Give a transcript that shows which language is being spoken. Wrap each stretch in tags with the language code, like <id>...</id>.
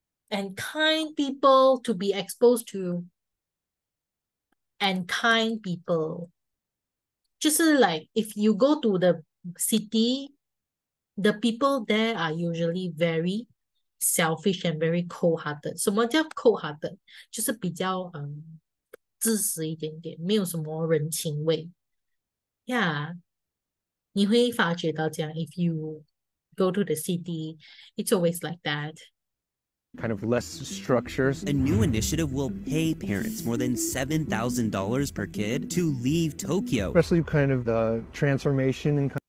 <en>And kind people to be exposed to. And kind people.</en> <zh>就是</zh> <en>like, if you go to the city, the people there are usually very selfish and very cold-hearted.</en> <zh>什么叫 cold-hearted? 就是比较 自私一点点, 没有什么人情味.</zh> <en>Yeah.</en> <zh>你会发觉到这样,</zh> <en>if you go to the city, it's always like that. Kind of less structures. A new initiative will pay parents more than $7,000 per kid to leave Tokyo. Especially kind of the transformation.</en>